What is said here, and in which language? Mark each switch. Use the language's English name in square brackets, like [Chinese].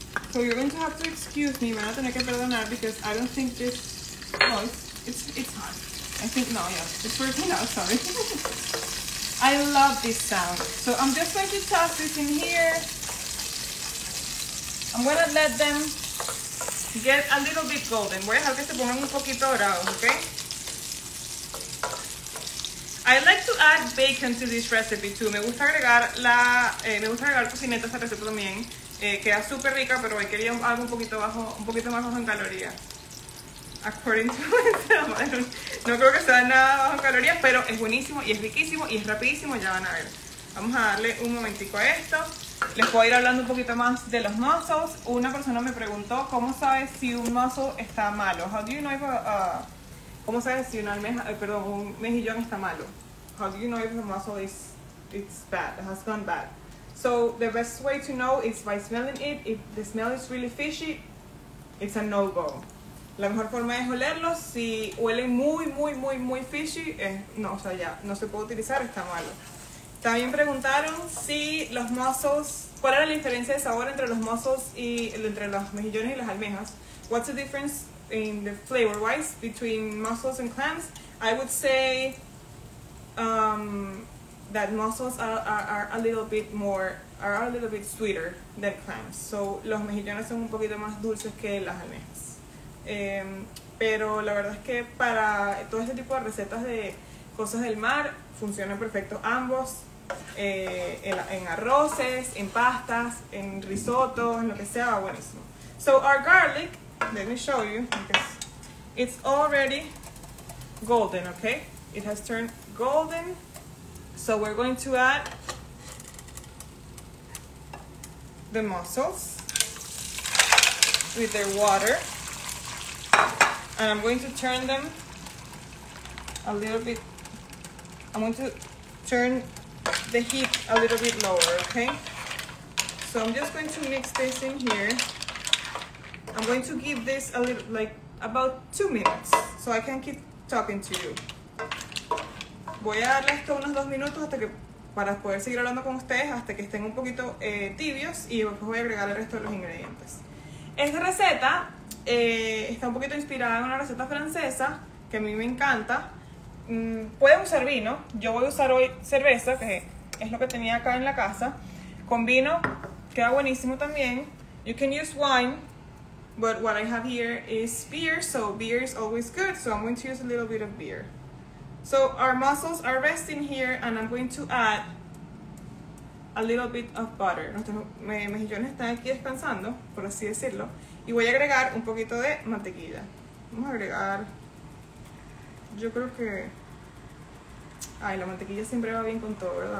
[English] So you're going to have to excuse me, [Spanish] me van a tener que perdonar, [English] because I don't think this, no, it's hot. I think, no, yeah, it's working out, sorry. I love this sound. So I'm just going to toss this in here. I'm going to let them get a little bit golden. [Spanish] Voy a dejar que se pongan un poquito dorados, okay? [English] I like to add bacon to this recipe too. [Spanish] Me gusta agregar tocineta a esta receta también. Queda súper rica, pero hoy quería algo un poquito más bajo en calorías. [English] According to myself, [Spanish] no creo que sea nada bajo en calorías, pero es buenísimo y es riquísimo y es rapidísimo, ya van a ver. Vamos a darle un momentico a esto. Les puedo ir hablando un poquito más de los mussels. Una persona me preguntó, ¿cómo sabes si un mussel está malo? [English] How do you know if [Spanish] ¿cómo sabes si una almeja, un mejillón está malo? [English] How do you know if a mussel is bad, has gone bad? So the best way to know is by smelling it. If the smell is really fishy, it's a no-go. [Spanish] La mejor forma es olerlo. Si huele muy, muy, muy, muy fishy, no se puede utilizar, está malo. También preguntaron si los mussels, ¿cuál era la diferencia de sabor entre los mussels y entre los mejillones y las almejas? [English] What's the difference in the flavor-wise between mussels and clams? I would say that mussels are a little bit sweeter than clams. [Spanish] So los mejillones son un poquito más dulces que las almejas. Pero la verdad es que para todo este tipo de recetas de cosas del mar funcionan perfecto ambos. En arroces, en pastas, en risotos, en lo que sea, buenísimo. [English] So our garlic, let me show you, because it's already golden, okay? It has turned golden. So we're going to add the mussels with their water, and I'm going to turn them a little bit, I'm going to turn the heat a little bit lower, okay? So I'm just going to mix this in here. I'm going to give this a little, like about 2 minutes, so I can keep talking to you. [Spanish] Voy a darle esto unos 2 minutos hasta que, para poder seguir hablando con ustedes, hasta que estén un poquito tibios, y después voy a agregar el resto de los ingredientes. Esta receta está un poquito inspirada en una receta francesa que a mí me encanta. Pueden usar vino, yo voy a usar hoy cerveza, que es lo que tenía acá en la casa. Con vino queda buenísimo también. [English] You can use wine, but what I have here is beer, so beer is always good, so I'm going to use a little bit of beer. So our mussels are resting here, and I'm going to add a little bit of butter. [Spanish] Nuestros mejillones están aquí descansando, por así decirlo. Y voy a agregar un poquito de mantequilla. Vamos a agregar, yo creo que Ay, la mantequilla siempre va bien con todo, ¿verdad?